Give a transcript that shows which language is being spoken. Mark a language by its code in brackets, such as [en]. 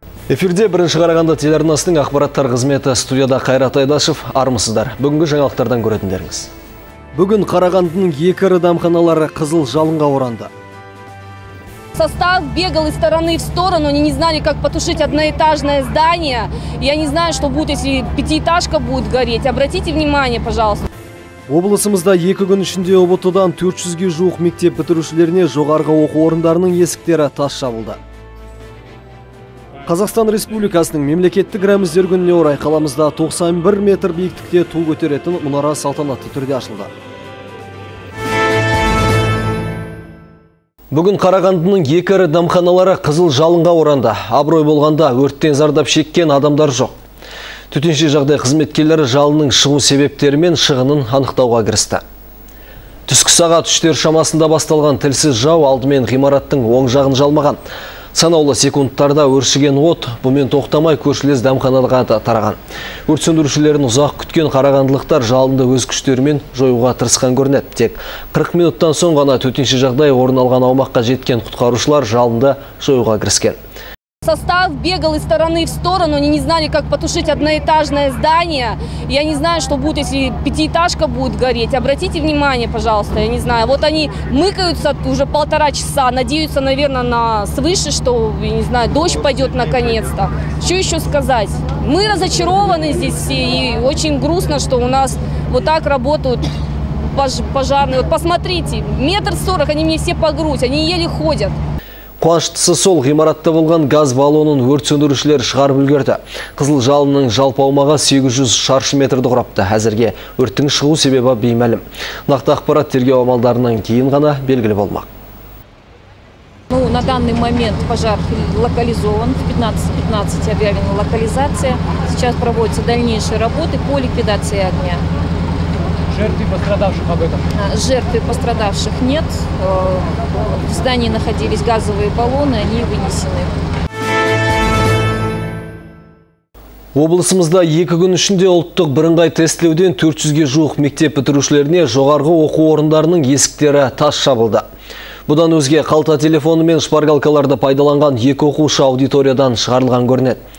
[kk] Эфирде бірінші қарағанда телеарнасының ақпараттар қызметі студияда Қайрат Айдашев, армысыздар. Бүгінгі жаңалықтардан көретіндеріңіз. Бүгін Қарағандының екі ірі дәмханалары қызыл жалынға оранды. [ru] Состав бегал из стороны в сторону, они не знали, как потушить одноэтажное здание. Я не знаю, что будет, если пятиэтажка будет гореть. Обратите внимание, пожалуйста. [kk] Облысымызда екі күн ішінде ОБТ-дан 400-ге жуық мектеп бітірушілеріне жоғарғы оқу орындарының есіктері тас жабылды. Қазақстан Республикасының мемлекеттік рәміздер күніне орай қаламызда 91 метр биіктікте ту көтеретін мұнара салтанатты түрде ашылды. Бүгін Қарағандының екі ірі дәмханалары қызыл жалынға оранды. Абырой болғанда өрттен зардап шеккен адамдар жоқ. Төтенше жағдай қызметкерлері жалының шығу себептері мен шығынын анықтауға кірісті. Түскі сағат 3-тер шамасында басталған тілсіз жау алдымен ғимараттың оң жағын жалмаған. Санаулы секундтарда өршіген от бұмен тоқтамай көршілес дәмханаларға да тараған. Өрт сөндірушілерін ұзақ күткен қарағандылықтар жалынды өз күштерімен жоюға тырысқан көрінеді. Тек 40 минуттан соң ғана төтенше жағдай орын алған аумаққа жеткен құтқарушылар жалынды жоюға кіріскен. [ru] Состав бегал из стороны в сторону, они не знали, как потушить одноэтажное здание. Я не знаю, что будет, если пятиэтажка будет гореть. Обратите внимание, пожалуйста, я не знаю. Вот они мыкаются уже полтора часа, надеются, наверное, на свыше, что, я не знаю, дождь пойдет наконец-то. Что еще сказать? Мы разочарованы здесь все, и очень грустно, что у нас вот так работают пожарные. Вот посмотрите, 1,40 м, они мне все по грудь, они еле ходят. [kk] Қуаныштысы сол ғимаратты болған газ балонын өрт сөндірушілер шығарып үлгерді. Қызыл жалының жалпы аумағы 800 шаршы метрді құрапты. Әзірге өрттің шығу себебі беймәлім. Нақты ақпарат тергеу амалдарынан кейін ғана белгілі болмақ. [ru] Ну, на данный момент пожар локализован. 15-15 объявлена локализация. Сейчас проводятся дальнейшие работы по ликвидации огня. Жертв и пострадавших об этом? Жертв и пострадавших нет. В здании находились газовые баллоны, они вынесены. [kk] Облысымызда екі күн ішінде ұлттық бірыңғай тестілеуден 400-ге жуық мектеп бітірушілеріне жоғарғы оқу орындарының есіктері тас жабылды. Бұдан өзге қалта телефоны мен шпаргалкаларды пайдаланған екі оқушы аудиториядан шығарылған көрінеді.